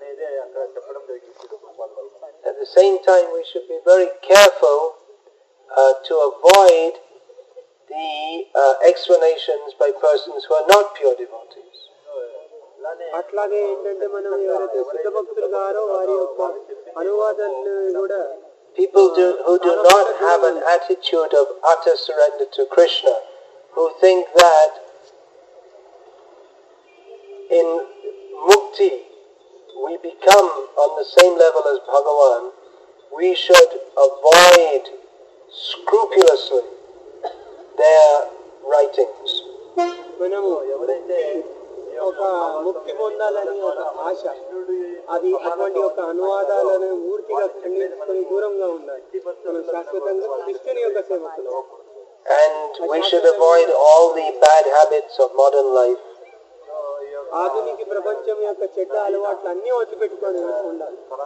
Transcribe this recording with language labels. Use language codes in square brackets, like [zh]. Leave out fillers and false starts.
[en] At the same time, we should be very careful to avoid the explanations by persons who are not pure devotees. [te] అట్లాగే ఏంటంటే మనం ఎవరైతే శుద్ధ భక్తులు గారో వారి యొక్క అనువాదాన్ని కూడా [en] People who do not have an attitude of utter surrender to Krishna, who think that in mukti we become on the same level as Bhagavan, we should avoid scrupulously their writings. [te] ఒక ముక్తి పొందాలని ఒక ఆశ, అది అటువంటి ఒక అనువాదాలను పూర్తిగా ఖండించుకుని దూరంగా ఉన్నాయి. శాశ్వతంగా కృష్ణుని యొక్క సేవకులు. [en] And we should avoid all the bad habits of modern life. [te] ఆధునిక ప్రపంచం యొక్క చెడ్డ అలవాట్లు అన్ని వదిలిపెట్టుకొని ఉండాలి.